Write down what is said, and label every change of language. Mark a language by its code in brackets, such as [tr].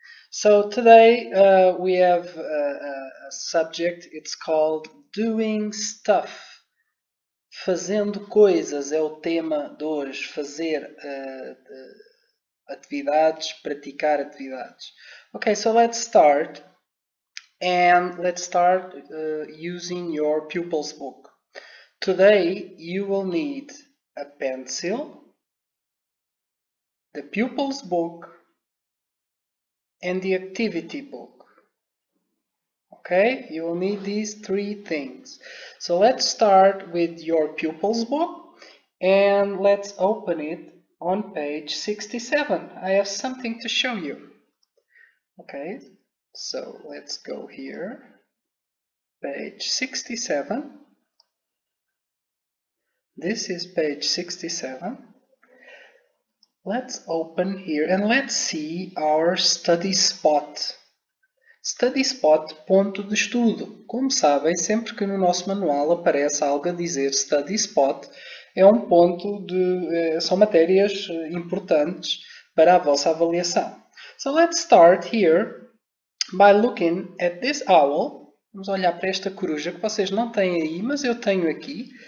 [en] So today we have a subject, it's called Doing Stuff. [pt] Fazendo coisas é o tema de hoje, fazer atividades, praticar atividades. [en] Okay, so let's start and let's start using your pupil's book. Today you will need a pencil, the pupil's book, and the activity book. Okay, you will need these three things. So let's start with your pupil's book and let's open it on page 67. I have something to show you. Okay, so let's go here, page 67. This is page 67. Let's open here and let's see our study spot. Study spot, [pt] ponto de estudo. Como sabem, sempre que no nosso manual aparece algo a dizer study spot, é um ponto de... são matérias importantes para a vossa avaliação. [en] So let's start here by looking at this owl. [pt] Vamos olhar para esta coruja que vocês não têm aí, mas eu tenho aqui.